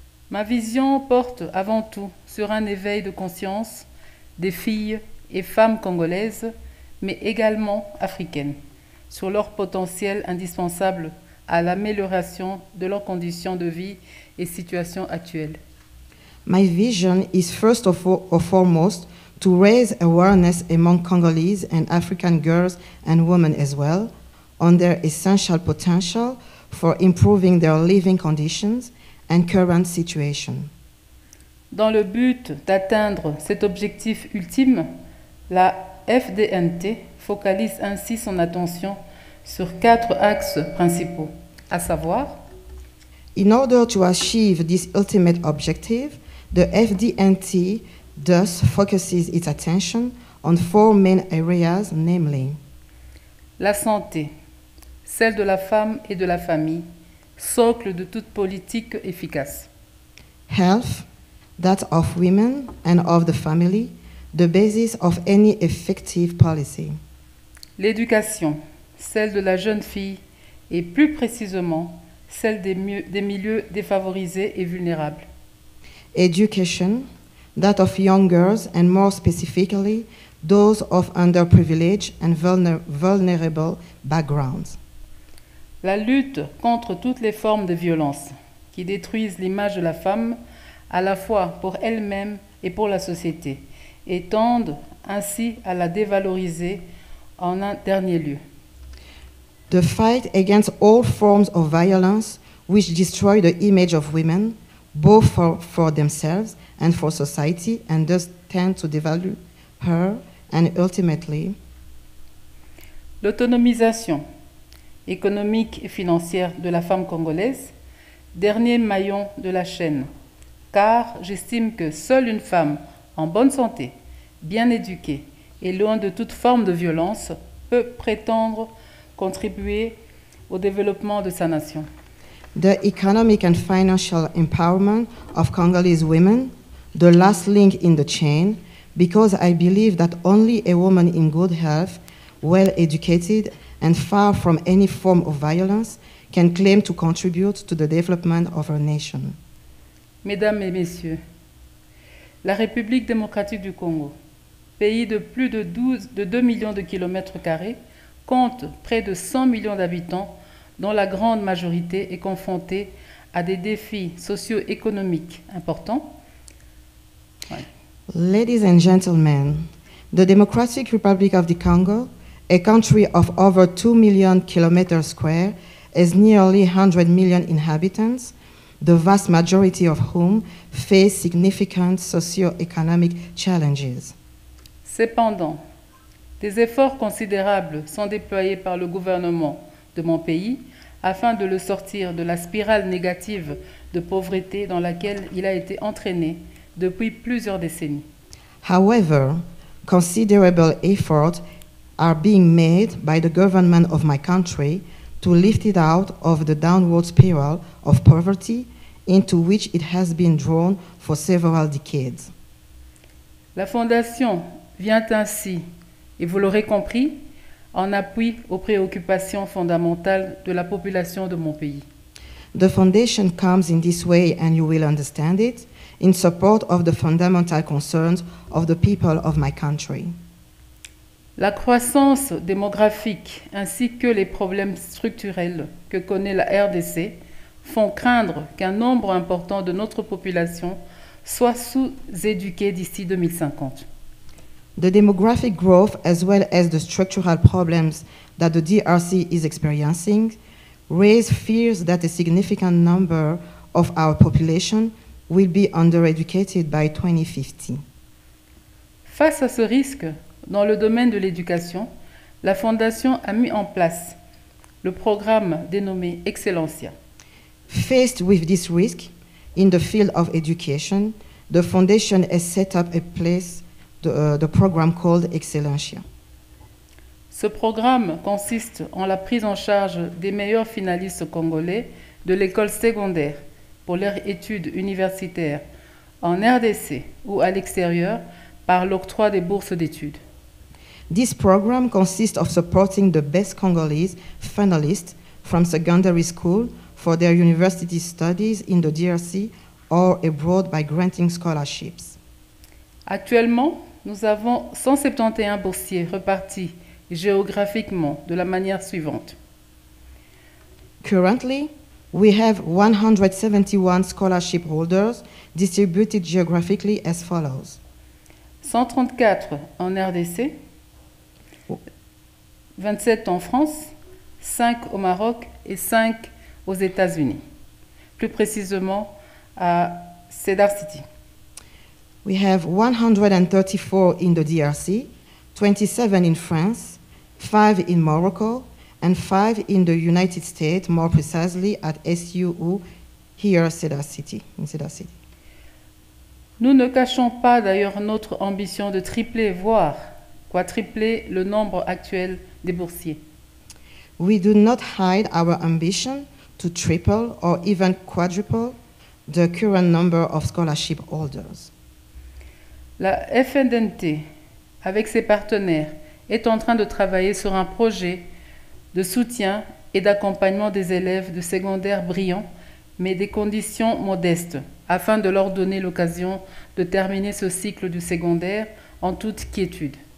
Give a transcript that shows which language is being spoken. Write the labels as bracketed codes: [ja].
[fr] Ma vision porte avant tout sur un éveil de conscience des filles et femmes congolaises, mais également africaines, sur leur potentiel indispensable à l'amélioration de leurs conditions de vie et situation actuelle. [en] My vision is first of all, or foremost, to raise awareness among Congolese and African girls and women as well on their essential potential for improving their living conditions and current situation. [fr] Dans le but d'atteindre cet objectif ultime, la FDNT focalise ainsi son attention sur quatre axes principaux, à savoir. [en] In order to achieve this ultimate objective, the FDNT thus focuses its attention on four main areas, namely. [fr] La santé, celle de la femme et de la famille, socle de toute politique efficace. [en] Health, that of women and of the family, the basis of any effective policy. [fr] L'éducation, celle de la jeune fille et plus précisément celle des milieux défavorisés et vulnérables. [en] Education, that of young girls and more specifically those of underprivileged and vulnerable backgrounds. [fr] La lutte contre toutes les formes de violence qui détruisent l'image de la femme à la fois pour elle-même et pour la société, et tendent ainsi à la dévaloriser en un dernier lieu. [en] The fight against all forms of violence which destroy the image of women, both for themselves and for society, and thus tend to devalue her, and ultimately. [fr] L'autonomisation économique et financière de la femme congolaise, dernier maillon de la chaîne, car j'estime que seule une femme en bonne santé, bien éduquée et loin de toute forme de violence peut prétendre contribuer au développement de sa nation. [en] The economic and financial empowerment of Congolese women, the last link in the chain, because I believe that only a woman in good health, well educated and far from any form of violence can claim to contribute to the development of her nation. [fr] Mesdames et messieurs, la République démocratique du Congo, pays de plus de 2 millions de kilomètres carrés, compte près de 100 millions d'habitants dont la grande majorité est confrontée à des défis socio-économiques importants. Ouais. [en] Ladies and gentlemen, the Democratic Republic of the Congo, a country of over 2 million kilometers square, has nearly 100 million inhabitants, the vast majority of whom face significant socio-economic challenges. [fr] Cependant, des efforts considérables sont déployés par le gouvernement de mon pays afin de le sortir de la spirale négative de pauvreté dans laquelle il a été entraîné depuis plusieurs décennies. [en] However, considerable efforts are being made by the government of my country to lift it out of the downward spiral of poverty into which it has been drawn for several decades. [fr] La Fondation vient ainsi, et vous l'aurez compris, en appui aux préoccupations fondamentales de la population de mon pays. [en] The Foundation comes in this way, and you will understand it, in support of the fundamental concerns of the people of my country. [fr] La croissance démographique ainsi que les problèmes structurels que connaît la RDC font craindre qu'un nombre important de notre population soit sous-éduquée d'ici 2050. [en] The demographic growth as well as the structural problems that the DRC is experiencing raise fears that a significant number of our population will be undereducated by 2050. [fr] Face à ce risque, dans le domaine de l'éducation, la Fondation a mis en place le programme dénommé Excellencia. [en] Faced with this risk in the field of education, the Foundation has set up a place, the program called Excellencia. [fr] Ce programme consiste en la prise en charge des meilleurs finalistes congolais de l'école secondaire pour leurs études universitaires en RDC ou à l'extérieur par l'octroi des bourses d'études. [en] This program consists of supporting the best Congolese finalists from secondary school for their university studies in the DRC or abroad by granting scholarships. [fr] Actuellement, nous avons 171 boursiers répartis géographiquement de la manière suivante. [en] Currently, we have 171 scholarship holders distributed geographically as follows. [fr] 134 en RDC, 27 en France, 5 au Maroc et 5 aux États-Unis, plus précisément à Cedar City. [en] We have 134 in the DRC, 27 in France, 5 in Morocco, and 5 in the United States, more precisely at SUU here in Cedar City. [fr] Nous ne cachons pas d'ailleurs notre ambition de tripler, voire quadrupler le nombre actuel des boursiers. [en] We do not hide our ambition to triple or even quadruple the current number of scholarship holders. [fr] La FNDNT, avec ses partenaires, est en train de travailler sur un projet de soutien et d'accompagnement des élèves de secondaire brillants, mais des conditions modestes, afin de leur donner l'occasion de terminer ce cycle du secondaire en toute quiétude.